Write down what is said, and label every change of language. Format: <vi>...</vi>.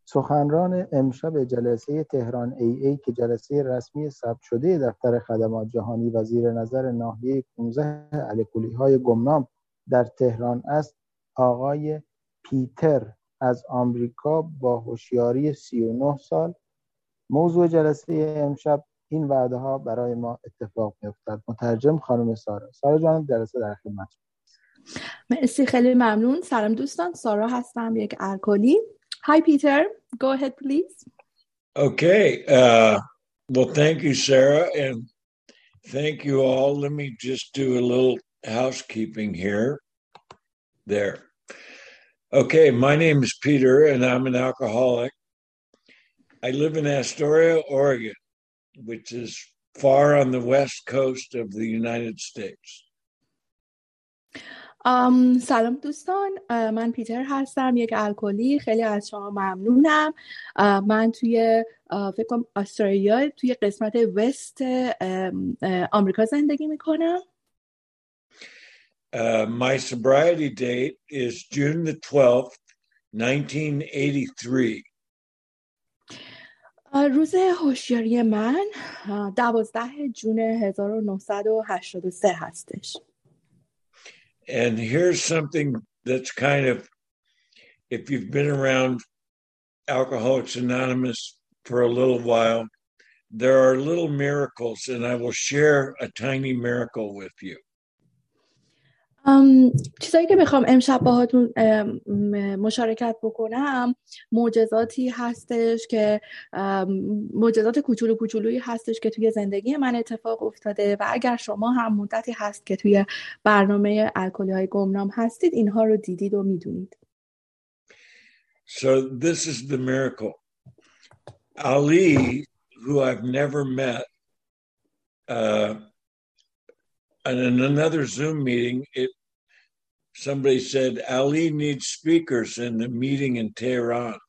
<fa>سخنران امشب جلسه تهران ای ای که جلسه رسمی ثبت شده دفتر خدمات جهانی و زیر نظر ناحیه 15 الکلی های گمنام در تهران است، آقای پیتر از آمریکا با هوشیاری 39 سال. موضوع جلسه امشب این وعده ها برای ما اتفاق میفتد. مترجم خانم سارا. سارا جان جلسه در خدمت شما. مرسی، خیلی ممنون. سلام دوستان، سارا هستم، یک الکلی.</fa> <en>Hi Peter, go ahead please. Okay. Well, thank you Sarah and thank you all. Let me just do a little housekeeping here. There. Okay, my name is Peter and I'm an alcoholic. I live in Astoria, Oregon, which is far on the west coast of the United States.</en> <fa>سلام دوستان، من پیتر هستم، یک الکلی. خیلی از شما ممنونم. من توی فکرم استرالیا توی قسمت وست آمریکا زندگی میکنم.</fa> <en>My sobriety date is June 12th, 1983.</en> <fa>روز هوشیاری من 12 جون 1983 هستش.</fa> <en>And here's something that's kind of, if you've been around Alcoholics Anonymous for a little while, there are little miracles, and I will share a tiny miracle with you.</en> <fa>چیزایی که میخوام امشب باهاتون مشارکت بکنم معجزاتی هستش که معجزات کوچولو کوچولویی هستش که توی زندگی من اتفاق افتاده، و اگر شما هم مدتی هست که توی برنامه الکلی های گمنام هستید اینها رو دیدید و میدونید.</fa> <en>So this is the miracle. Ali, who I've never met, and in another Zoom meeting somebody said, Ali needs speakers in the meeting in Tehran.</en>